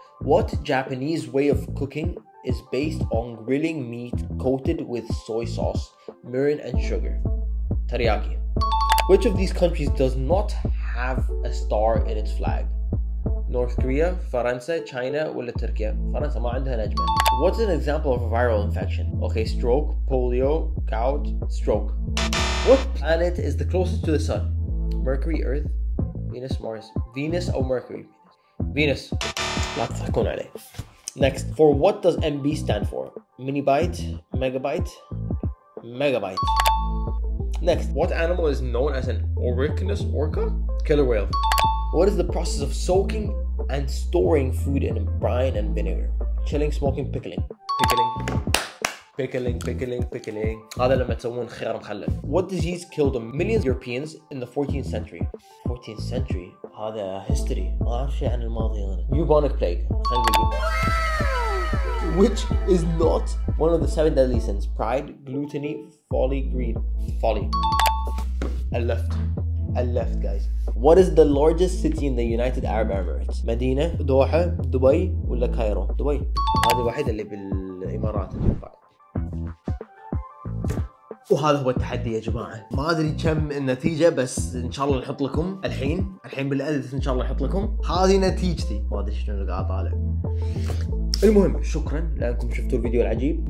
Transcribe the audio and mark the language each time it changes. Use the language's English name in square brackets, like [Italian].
[English] What Japanese way of cooking is based on grilling meat coated with soy sauce, mirin and sugar? Teriyaki. Which of these countries does not have a star in its flag? [Arabic] North Korea, France, China, ولا تركيا؟ فرنسا ما عندها نجمة. [English] What's an example of a viral infection? Okay, stroke, polio, gout, stroke. What planet is the closest to the sun? Mercury, Earth, Venus, Mars. Venus or Mercury? Venus. [Arabic] لا تضحكون علي. [English] Next, for what does MB stand for? Minibyte, megabyte, megabyte. Next, what animal is known as an Oryctolagus orca? Killer whale. What is the process of soaking and storing food in brine and vinegar? Chilling, smoking, pickling. Pickling. Pickling, pickling, pickling. [Arabic] هذا لما تسوون خيار مخلل. [English] What disease killed a million Europeans in the 14th century? 14th century. [Arabic] هذا history. ما أعرف شيء عن الماضي هذا. [English] Bubonic plague. [Arabic] خلينا نقول. [English] Which is not one of the seven deadly sins? Pride, gluttony, folly, greed. Folly. A left, guys. What is the largest city in the United Arab Emirates? Medina, Doha, Dubai, ولا Cairo? Dubai. [Arabic] هذه واحدة اللي بالإمارات أتوقع. وهذا هو التحدي يا جماعة. ما أدري كم النتيجة بس إن شاء الله نحط لكم الحين بالأدس إن شاء الله نحط لكم هذه نتيجتي. ما أدري شنو اللي قاعد طالع. المهم شكرا لأنكم شفتوا الفيديو العجيب.